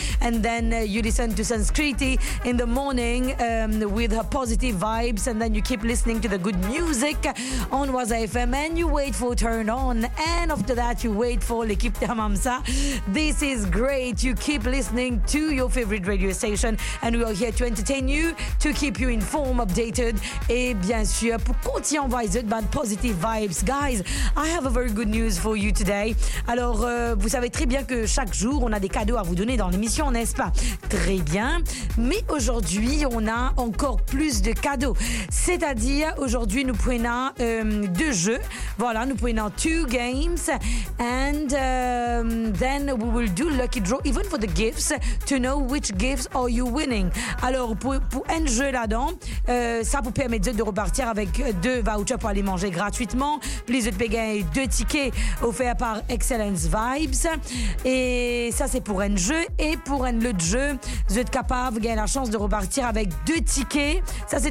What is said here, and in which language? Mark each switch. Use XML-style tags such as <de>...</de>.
<en>And then you listen to Sanskriti in the morning with her positive vibes, and then you keep listening to the good music on Waza FM, and you wait for Turn On, and after that you wait for l'équipe de Hamamsa. This is great. You keep listening to your favorite radio station, and we are here to entertain you, to keep you informed, updated,</en> <fr>et bien sûr pour continuer à vous donner</fr> <en>positive vibes. Guys, I have a very good news for you today.</en> <fr>Alors vous savez très bien que chaque jour on a des cadeaux à vous donner dans l'émission, n'est-ce pas? Très bien. Mais aujourd'hui, on a encore plus de cadeaux. C'est-à-dire, aujourd'hui, nous prenons deux jeux. Voilà, nous prenons</fr> <en>two games. And then we will do lucky draw, even for the gifts, to know which gifts are you winning.</en> <fr>Alors, pour un jeu là-dedans, ça vous permet de repartir avec deux vouchers pour aller manger gratuitement. Plus de pégains et deux tickets offerts par Excellence Vibes. Et ça, c'est pour un jeu. Et pour un autre jeu, vous êtes capable de gagner la chance de repartir avec deux tickets. Ça, c'est</fr>